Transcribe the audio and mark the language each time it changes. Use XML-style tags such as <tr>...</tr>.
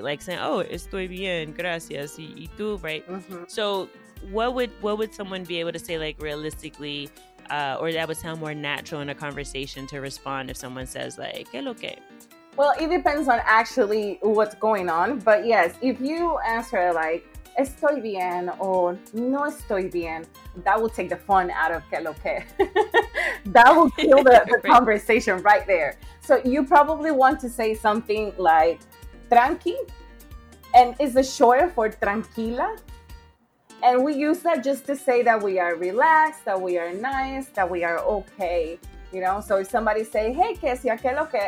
<en>Like saying, oh,</en> <es>estoy bien, gracias, y tú,</es> <en>right? Mm-hmm. So what would someone be able to say, like, realistically, or that would sound more natural in a conversation to respond if someone says, like,</en> <es>¿qué lo que?</es> <en>Well, it depends on actually what's going on. But yes, if you answer, like,</en> <es>estoy bien</es> <en>or</en> <es>no estoy bien,</es> <en>that will take the fun out of</en> <es>¿qué lo que?</es> <en>That will kill the conversation right there. So you probably want to say something like,</en> <es>tranqui,</es> <en>and it's a short for</en> <es>tranquila.</es> <en>And we use that just to say that we are relaxed, that we are nice, that we are okay, you know? So if somebody say, hey,</en> <es>¿qué sea, qué lo que?</es>